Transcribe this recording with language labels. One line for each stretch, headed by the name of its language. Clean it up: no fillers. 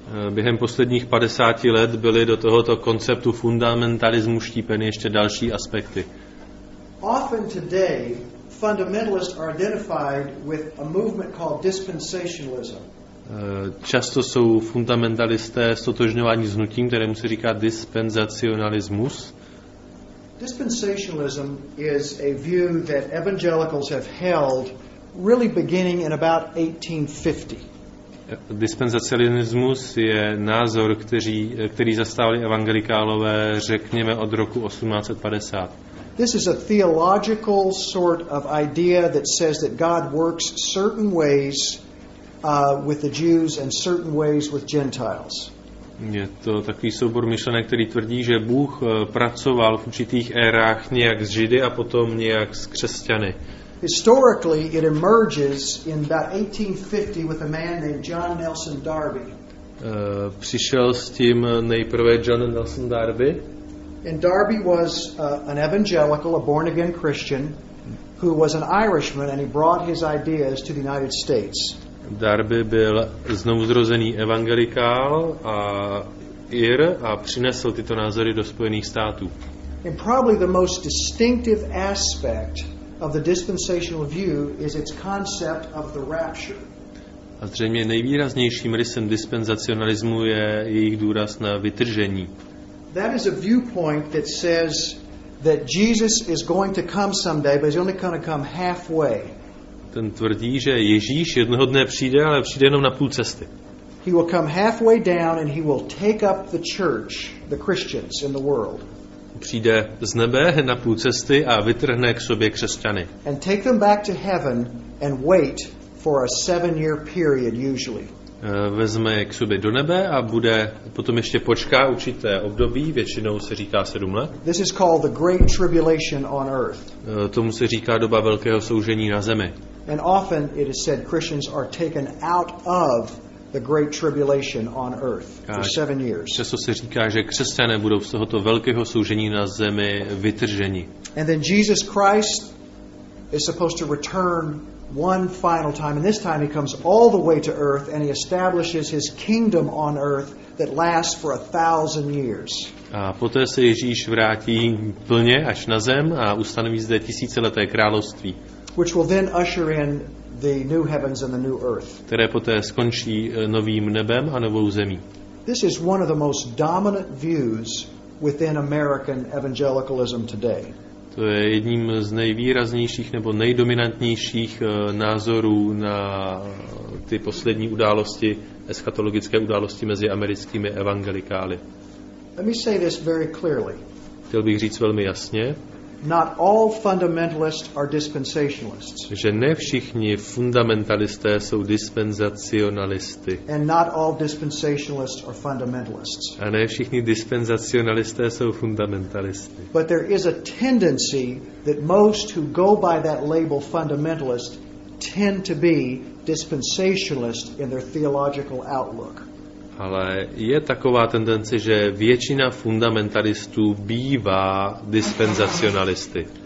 Czech: Během posledních 50 let byly do tohoto konceptu fundamentalismu štípeny ještě další aspekty.
English: Often today, fundamentalists are identified with a movement called dispensationalism.
Czech: Často jsou fundamentalisté stotožňováni s hnutím, kterému se říká dispenzacionalismus.
English: Dispensationalism is a view that evangelicals have held really beginning in about 1850.
Czech: Dispenzacionalismus je názor, který zastávali evangelikálové, řekněme, od roku 1850.
English: This is a theological sort of idea that says that God works certain ways with the Jews and certain ways with Gentiles.
Czech: Je to takový soubor myšlenek, který tvrdí, že Bůh pracoval v určitých érách nějak s Židy a potom nějak s křesťany.
English: Historically, it emerges in about 1850 with a man named John Nelson Darby.
Czech: Přišel s tím nejprve John Nelson Darby.
English: And Darby was an evangelical, a born-again Christian, who was an Irishman, and he brought his ideas to the United States.
Czech: Darby byl znovuzrozený evangelikál a Ir a přinesl tyto názory do Spojených států.
English: And probably the most distinctive aspect of the dispensational view is its concept of the rapture.
Czech: A zřejmě nejvýraznějším rysem dispenzacionalismu je jejich důraz na vytržení.
English: That is a viewpoint that says that Jesus is going to come someday, but he's only going to come halfway.
Czech: Ten tvrdí, že Ježíš jednoho dne přijde, ale přijde jenom na půl cesty.
English: He will come halfway down and he will take up the church, the Christians in the world.
Czech: Přijde z nebe na půl cesty a vytrhne k sobě křesťany.
English: And take them back to heaven and wait for a 7-year period usually.
Czech: Vezme je k sobě do nebe a bude potom ještě počká určité období, většinou se říká 7 let.
English: This is called the great tribulation on earth.
Czech: Tomu se říká doba velkého soužení na zemi.
English: And often it is said Christians are taken out of the great tribulation on earth for 7 years.
Czech: Často se říká, že křesťané budou z tohoto velkého soužení na zemi vytrženi.
English: And then Jesus Christ is supposed to return one final time, and this time he comes all the way to earth and he establishes his kingdom on earth that lasts for 1,000 years.
Czech: A poté se Ježíš vrátí plně až na zem a ustanoví zde tisícileté království.
English: Which will then usher in the new heavens and the new earth.
Czech: Které poté skončí novým nebem a novou zemí.
English: This is one of the most dominant views within American evangelicalism today.
Czech: To je jedním z nejvýraznějších nebo nejdominantnějších názorů na ty poslední události, eschatologické události mezi americkými evangelikály.
English: Let me say this very clearly.
Czech: Chtěl bych říct velmi jasně.
English: Not all fundamentalists are dispensationalists.
Czech: Že ne všichni fundamentalisté jsou dispenzacionalisty.
English: And not all dispensationalists are fundamentalists.
Czech: A ne všichni dispenzacionalisté jsou fundamentalisty.
English: But there is a tendency that most who go by that label fundamentalist tend to be dispensationalist in their theological outlook.
Czech: Ale je taková tendence, že většina fundamentalistů bývá dispenzacionalisty.